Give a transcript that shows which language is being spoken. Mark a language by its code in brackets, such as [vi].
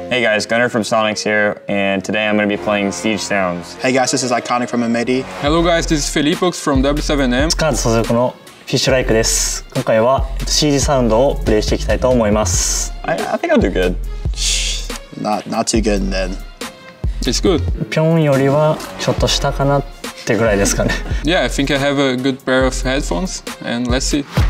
[en] guys, Gunner from Sonics here, and today I'm going to be playing Siege Sounds. Hey guys, this is Iconic from Amedi. Hello guys, this is Felipox from W7M. I think I'll do good. Not too good then. It's good. [ja] ピョンよりはちょっと下かなってぐらいですかね。 [en] Yeah, I think I have a good pair of headphones, and let's see.